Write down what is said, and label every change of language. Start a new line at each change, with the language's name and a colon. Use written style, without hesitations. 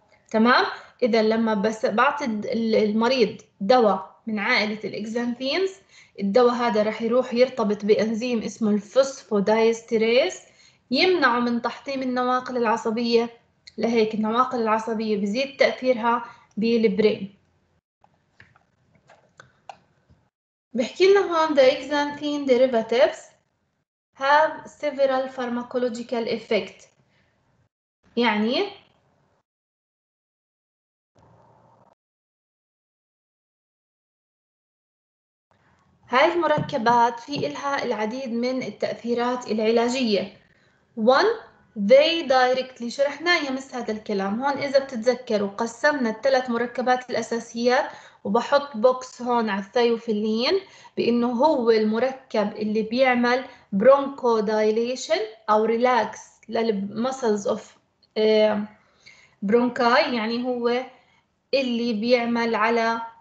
Arabic: تمام؟ إذا لما بس بعطي المريض دواء من عائلة الإكزانثينز، الدواء هذا رح يروح يرتبط بأنزيم اسمه الفوسفودايستيريز، يمنعه من تحطيم النواقل العصبية. لهيك النواقل العصبية بزيد تأثيرها بالبرين. بحكي لنا هون
English: the exanthine derivatives have several pharmacological effect.
Arabic: يعني هاي المركبات في إلها العديد من التأثيرات العلاجية.
English: One, they directly،
Arabic: شرحنا يمس هذا الكلام هون إذا بتتذكروا، قسمنا الثلاث مركبات الأساسية وبحط بوكس هون على الثايوفيلين بأنه هو المركب اللي بيعمل برونكو دايليشن أو ريلاكس للمسلز أوف برونكاي، يعني هو اللي بيعمل على